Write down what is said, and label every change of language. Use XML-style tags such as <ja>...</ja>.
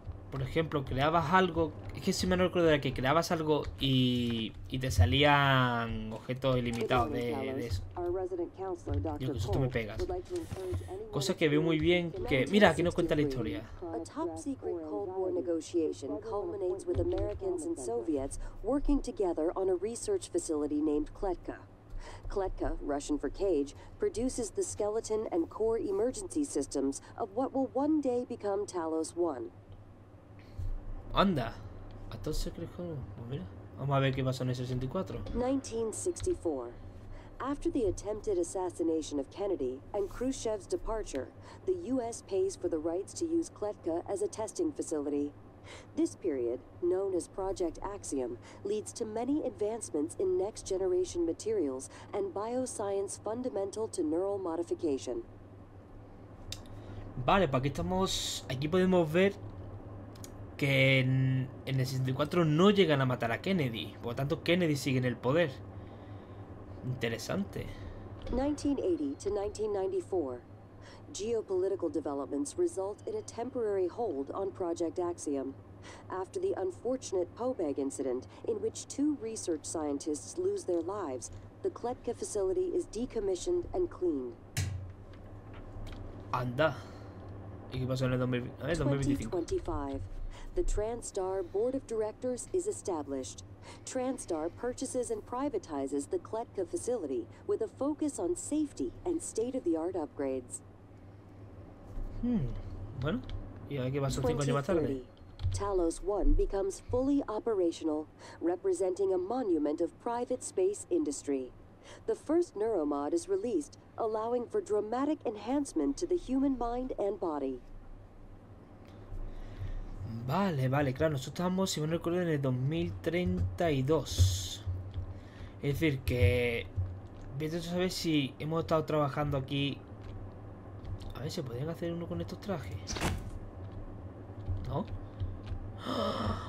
<es>Por ejemplo, creabas algo... Es que si me recuerdo era que creabas algo y te salían objetos ilimitados de eso. Yo que susto me pegas. Cosa que veo muy bien que... Mira, aquí nos cuenta la historia.</es> <en>A top secret Cold War negotiation culminates with Americans and Soviets working together on a research facility named Kletka. Kletka, Russian for cage, produces the skeleton and core emergency systems of what will one day become Talos I.</en> <es>Anda, a todos se creen como... Pues mira, vamos a ver qué pasó en el 64. 1964.</es> <en>After the attempted assassination of Kennedy and Khrushchev's departure, the U.S. pays for the rights to use Kletka as a testing facility. This period, known as Project Axiom, leads to many advancements in next-generation materials and bioscience fundamental to neural modification.</en> <es>Vale, pues aquí estamos... Aquí podemos ver... Que en el 64 no llegan a matar a Kennedy. Por lo tanto, Kennedy sigue en el poder. Interesante.</es> <en>1980 to 1994. Geopolitical developments result in a temporary hold on Project Axiom. After the unfortunate Pobeg incident, in which two research scientists lose their lives, the Kletka facility is decommissioned and cleaned.</en> <es>Anda. ¿Y qué pasó en el 2025?</es> <en>The Transtar Board of Directors is established. Transtar purchases and privatizes the Kletka facility with a focus on safety and state-of-the-art upgrades.</en> <es>Bueno, y hay que pasar 5 años más tarde.</es> <en>Talos I becomes fully operational, representing a monument of private space industry. The first neuromod is released, allowing for dramatic enhancement to the human mind and body.</en> <es>Vale, claro, nosotros estamos, si me recuerdo, en el 2032. Es decir, que... Viendo a ver si hemos estado trabajando aquí... A ver, ¿se podrían hacer uno con estos trajes? ¿No? ¡Oh!</es>